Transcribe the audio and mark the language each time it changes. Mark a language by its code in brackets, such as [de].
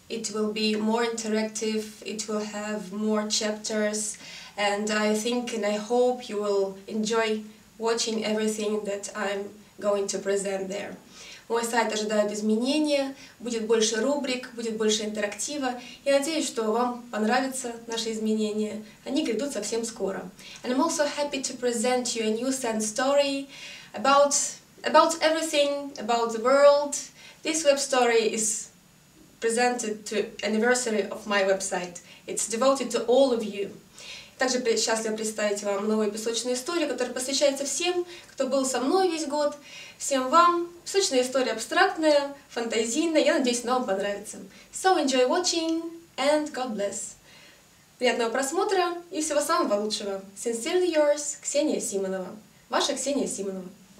[en] It will be more interactive, it will have more chapters, and I think and I hope you will enjoy watching everything that I'm going to present there. [ru] Мой сайт ожидает изменения, будет больше рубрик, будет больше интерактива. Я надеюсь, что вам понравятся наши изменения. Они грядут совсем скоро. [en] And I'm also happy to present you a new sad story about everything, about the world. This web story is presented to anniversary of my website. It's devoted to all of you. [ru] Также счастлива представить вам новую песочную историю, которая посвящается всем, кто был со мной весь год, всем вам. Песочная история абстрактная, фантазийная, я надеюсь, она вам понравится. [en] So enjoy watching and God bless. [ru] Приятного просмотра и всего самого лучшего. [en] Sincerely yours, [ru] Ксения Симонова. Ваша Ксения Симонова.